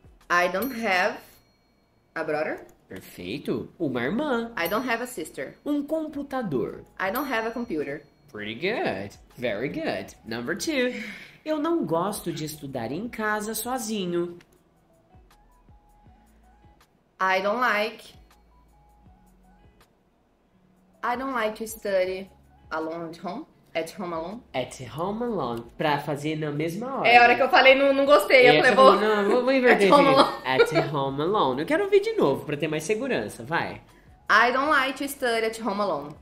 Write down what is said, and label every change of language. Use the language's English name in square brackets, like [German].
[English] I don't have a brother. [Portuguese] Perfeito. Uma irmã. [English] I don't have a sister. [Portuguese] Um computador. [English] I don't have a computer. Pretty good. Very good. Number two. [Portuguese] Eu não gosto de estudar em casa sozinho. [English] I don't like to study alone at home. At home alone. At home alone. [Portuguese] Pra fazer na mesma hora. É, a hora que eu falei, não gostei. Eu falei, vou inverter. [English] At home alone. [Portuguese] Eu quero ouvir de novo pra ter mais segurança. Vai. [English] I don't like to study at home alone.